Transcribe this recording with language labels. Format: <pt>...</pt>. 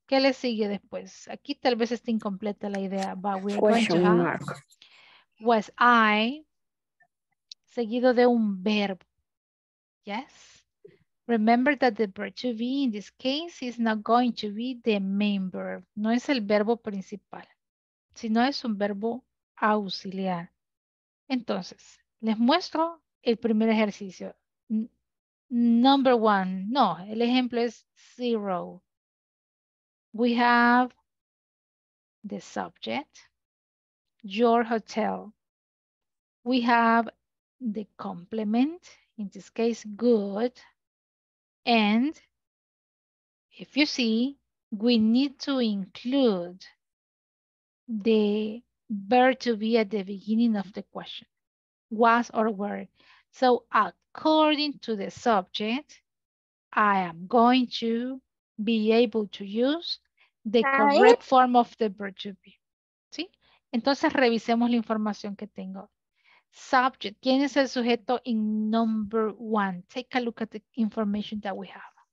<es>¿Qué le sigue después? Aquí tal vez está incompleta la idea,</es> <en>but we're going to have was I</en> <es>seguido de un verbo.</es> <en>Yes, remember that the verb to be in this case is not going to be the main verb.</en> <es>No es el verbo principal, sino es un verbo auxiliar. Entonces, les muestro el primer ejercicio.</es> <en>Number one,</en> <es>no, el ejemplo es zero.</es> <en>We have the subject, your hotel. We have the complement. In this case, good. And if you see, we need to include the verb to be at the beginning of the question, was or were. So according to the subject, I am going to be able to use the correct form of the verb to be.</en> <es>¿Sí? Entonces revisemos la información que tengo. Subject, ¿quién es el sujeto</es> <en>in number one? Take a look at the information that we have.</en>